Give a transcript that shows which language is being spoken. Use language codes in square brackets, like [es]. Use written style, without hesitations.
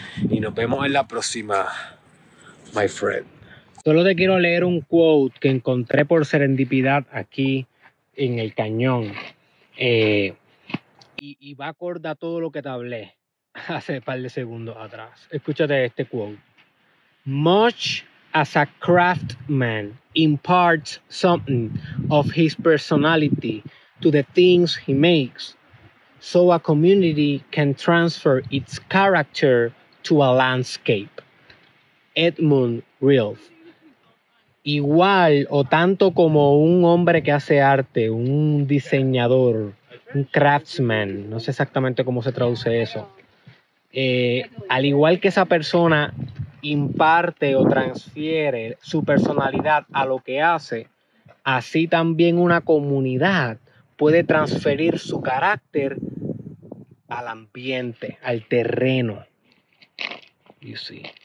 [es] Y nos vemos en la próxima, [en] my friend. [es] Solo te quiero leer un quote que encontré por serendipidad aquí en el cañón. Y va acorde a todo lo que te hablé hace un par de segundos atrás. Escúchate este quote. [en] Much as a craftsman imparts something of his personality to the things he makes, so a community can transfer its character to a landscape. Edmund Rilke. [es] Igual o tanto como un hombre que hace arte, un diseñador, un craftsman, no sé exactamente cómo se traduce eso, al igual que esa persona imparte o transfiere su personalidad a lo que hace, así también una comunidad puede transferir su carácter al ambiente, al terreno. [en] You see.